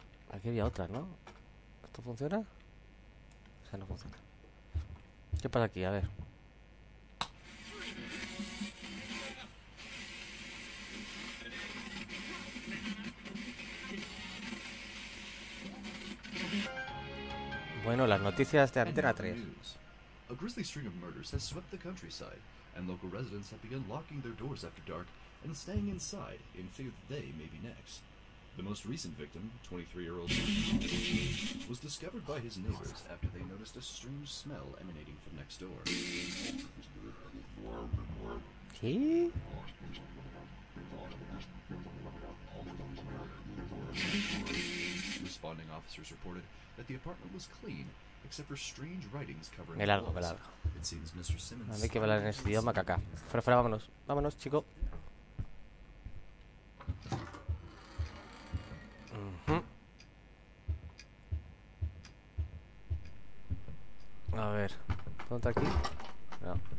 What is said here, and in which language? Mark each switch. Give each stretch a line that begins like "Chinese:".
Spanish: Aquí había otra, ¿no? ¿Esto funciona? O sea, no funciona. ¿Qué pasa aquí? A ver. Bueno, las noticias de Antena 3.
English: A grisly string of murders has swept the countryside, and local residents have begun locking their doors after dark and staying inside in fear that they may be next. The most recent victim, 23-year-old, was discovered by his neighbors after they noticed a strange smell emanating from next door.
Spanish: ¿Qué?
English: Responding officers reported that the apartment was clean, except for strange writings covering
Spanish: el algo,
English: walls. It seems Mr. Simmons.
Spanish: Hay que hablar en ese idioma, caca. Fuera, vámonos. Vámonos, chico. Mm-hmm. A ver, ponte aquí. No.